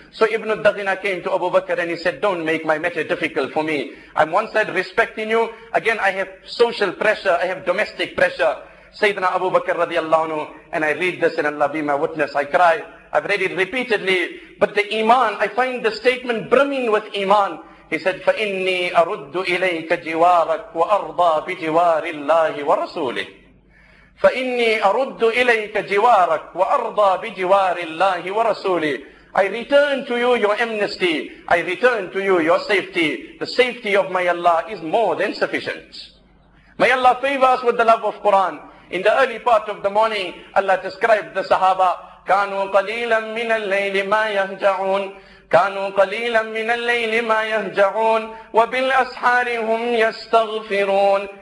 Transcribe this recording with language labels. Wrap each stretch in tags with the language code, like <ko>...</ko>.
<en>So Ibn al-Daghina came to Abu Bakr and he said, don't make my matter difficult for me. I'm one side respecting you. Again, I have social pressure. I have domestic pressure. Sayyidina Abu Bakr radiallahu anhu, and I read this and Allah be my witness, I cry. I've read it repeatedly. But the iman, I find the statement brimming with iman. He said,</en> <ar>فَإِنِّي أَرُدُّ إِلَيْكَ جِوَارَكَ وَأَرْضَى بِجِوَارِ اللَّهِ وَرَسُولِهِ. فَإِنِّي أَرُدُّ إِلَيْكَ جِوَارَكَ وَأَرْضَى بِجِوَارِ اللَّهِ وَرَسُولِهِ.</ar> <en>I return to you your amnesty. I return to you your safety. The safety of my Allah is more than sufficient. May Allah favor us with the love of Quran. In the early part of the morning, Allah described the Sahaba.</en> <ar>كَانُوا قَلِيلًا مِنَ اللَّيْلِ مَا يَهْجَعُونَ كَانُوا قَلِيلًا مِنَ اللَّيْلِ مَا يَهْجَعُونَ وَبِالْأَسْحَارِ هُمْ يَسْتَغْفِرُونَ.</ar>